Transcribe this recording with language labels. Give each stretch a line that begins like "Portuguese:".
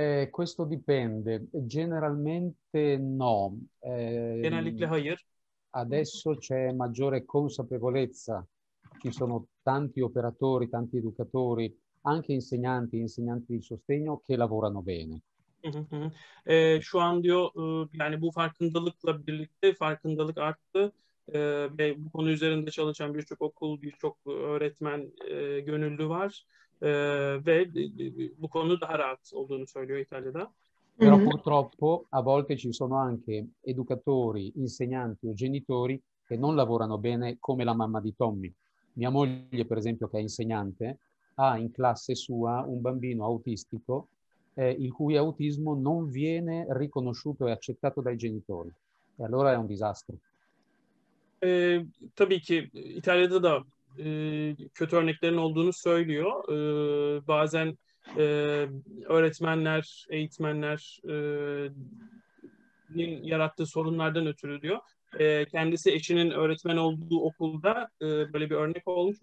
Italian: Questo dipende. Generalmente no.
Turkish: Generalmente hayır.
Italian: Adesso c'è maggiore consapevolezza, ci sono tanti operatori, tanti educatori, anche insegnanti di sostegno che lavorano bene.
Turkish: Şu an diyor yani bu farkındalıkla birlikte farkındalık arttı ve bu konu üzerinde çalışan birçok okul, birçok öğretmen gönüllü var ve bu konu daha rahat olduğunu söylüyor İtalya'da.
Italian: Però purtroppo a volte ci sono anche educatori, insegnanti o genitori che non lavorano bene come la mamma di Tommy. Mia moglie, per esempio, che è insegnante, ha in classe sua un bambino autistico il cui autismo non viene riconosciuto e accettato dai genitori. E allora è un disastro.
Turkish: Tabii ki İtalya'da da kötü örneklerin olduğunu söylüyor. Bazen öğretmenler, eğitmenlerin yarattığı sorunlardan ötürü diyor. Kendisi eşinin öğretmen olduğu okulda böyle bir örnek olmuş.